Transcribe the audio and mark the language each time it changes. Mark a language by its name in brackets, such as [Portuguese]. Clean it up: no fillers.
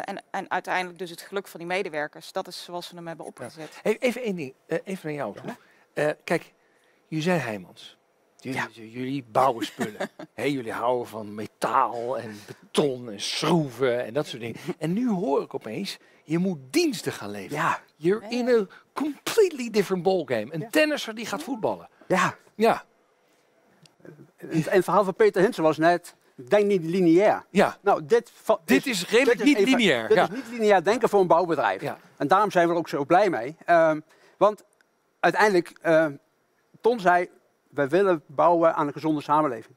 [Dutch] En uiteindelijk dus het geluk van die medewerkers. Dat is zoals we hem hebben opgezet. Ja. Even één ding, even naar jou toe. Ja. Kijk, je zei Heijmans. Jullie bouwen spullen. Hey, jullie houden van metaal en beton en schroeven en dat soort dingen. En nu hoor ik opeens, je moet diensten gaan leveren. Ja. [English] You're in a completely different ballgame. [Dutch] Een tennisser die gaat voetballen. Ja. Ja. En het verhaal van Peter Hintze was net, denk niet lineair. Ja. Nou, dit is redelijk dit is niet even, lineair. Dit is niet lineair denken voor een bouwbedrijf. Ja. En daarom zijn we er ook zo blij mee. Want uiteindelijk, Ton zei, wij willen bouwen aan een gezonde samenleving.